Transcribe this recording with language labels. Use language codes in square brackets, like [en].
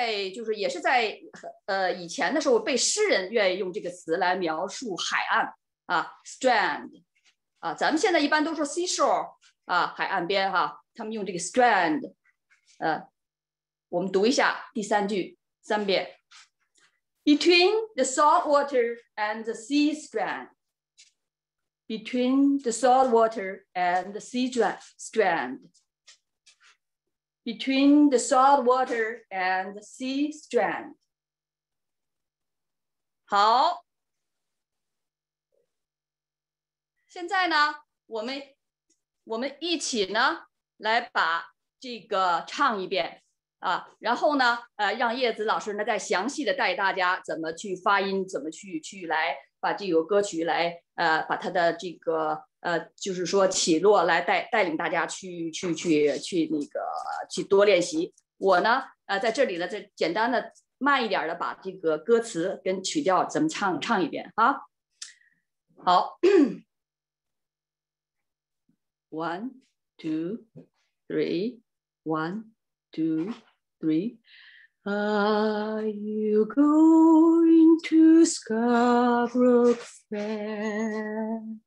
[zh] 就是也是在以前的时候被诗人愿意用这个词来描述海岸strand， 咱们现在一般都说 seashore， 海岸边他们用这个 strand， 我们读一下第三句三遍。 [en] Between the salt water and the sea strand, between the salt water and the sea strand, between the salt water and the sea strand。 [zh] 好，现在呢，我们一起呢。来把这个唱一遍。啊，然后呢，让叶子老师呢再详细的带大家怎么去发音，怎么去来把这个歌曲来，把它的这个就是说起落来带领大家去那个去多练习。我呢，在这里呢，再简单的慢一点的把这个歌词跟曲调怎么唱一遍啊。 [en] 好，one, two, three, one, two, three. Are you going to Scarborough Fair?